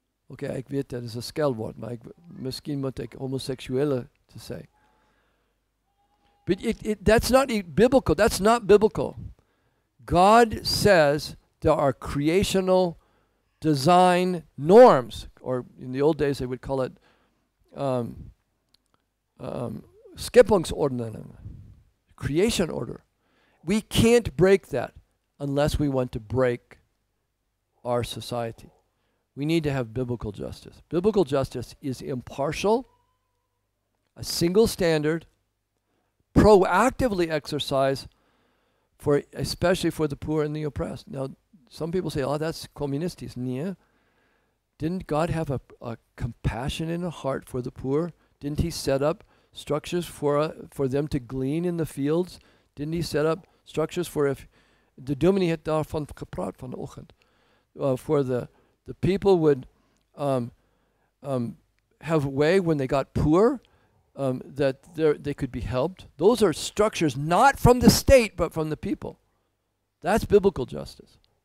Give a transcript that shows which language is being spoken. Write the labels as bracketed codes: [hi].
[nl] Okay, ik weet dat is een scheldwoord, maar misschien moet ik homoseksuele te zeggen. [en] But that's not biblical. That's not biblical. God says there are creational design norms, or in the old days they would call it Skepungsordnung, creation order. We can't break that unless we want to break our society. We need to have biblical justice. Biblical justice is impartial, a single standard, proactively exercised, especially for the poor and the oppressed. Now, some people say, oh, that's communisties. Nee. Didn't God have a compassion in a heart for the poor? Didn't he set up structures for them to glean in the fields? Didn't he set up structures for if [af] De dominee het daarvan gepraat vanochtend. [en] For the people would have a way when they got poor, that they could be helped. Those are structures not from the state, but from the people. That's biblical justice.